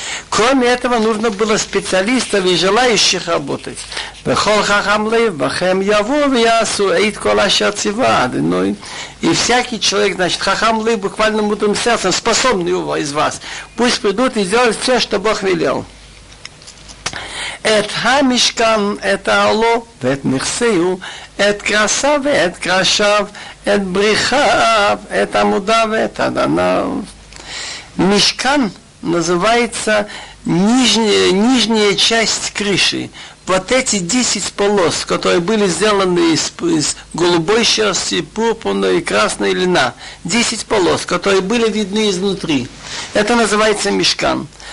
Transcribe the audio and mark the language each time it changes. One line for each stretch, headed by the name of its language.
Russian: Кроме этого, нужно было специалистов и желающих работать. И всякий человек, значит, хахамлы, буквально мудрым сердцем, способный из вас, пусть придут и сделают все, что Бог велел.
Hebrew: את המשכן, את העלו ואת נכסיו, את קרסיו ואת קרשיו, את בריחיו, את עמודיו ואת אדניו.
Russian: משכן называется нижняя часть крыши. Вот эти 10 полос, которые были сделаны из голубой шерсти, пурпурной и красной льна, 10 полос, которые были видны изнутри, это называется мешкан.